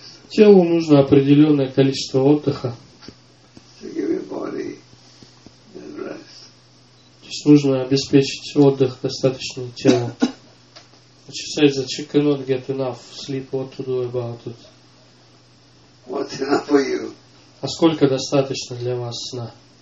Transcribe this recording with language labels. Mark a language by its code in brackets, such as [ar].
[ru] Телу нужно определенное количество отдыха. То есть нужно обеспечить отдых достаточное тело. [en] She says that she cannot get enough sleep. What to do about it? What's enough for you? [ru] А сколько достаточно для вас сна?